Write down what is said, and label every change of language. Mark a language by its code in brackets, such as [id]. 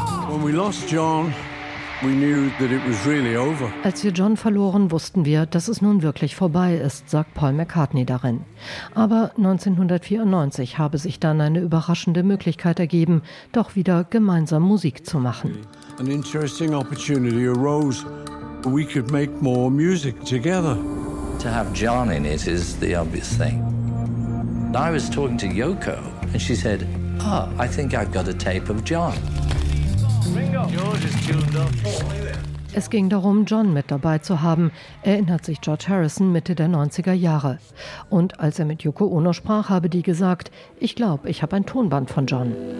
[en] When we lost John, we knew that it was really over. [de] Als wir John verloren, wussten wir, dass es nun wirklich vorbei ist, sagt Paul McCartney darin. Aber 1994 habe sich dann eine überraschende Möglichkeit ergeben, doch wieder gemeinsam Musik zu machen. [en] An interesting opportunity arose. We could make more music together. To have John in it is the obvious thing. I was talking to Yoko and she said, "Ah, I think I've got a tape of John." [de] Es ging darum, John mit dabei zu haben, erinnert sich George Harrison Mitte der 90er Jahre. Und als er mit Yoko Ono sprach, habe die gesagt, ich glaube, ich habe ein Tonband von John.